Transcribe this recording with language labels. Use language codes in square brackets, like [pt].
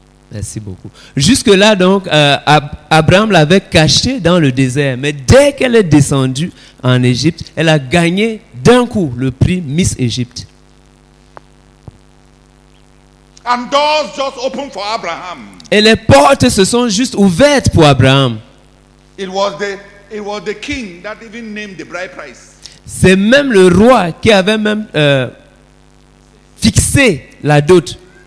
[fr] Merci beaucoup. Jusque-là, donc, Abraham l'avait caché dans le désert. Mais dès qu'elle est descendue en Égypte, elle a gagné d'un coup le prix Miss Égypte. [en] And doors just opened for Abraham. [fr] Et les portes se sont juste ouvertes pour Abraham. [en] It was the king that even named the bride price. [fr] C'est même le roi qui avait même fixé la dot.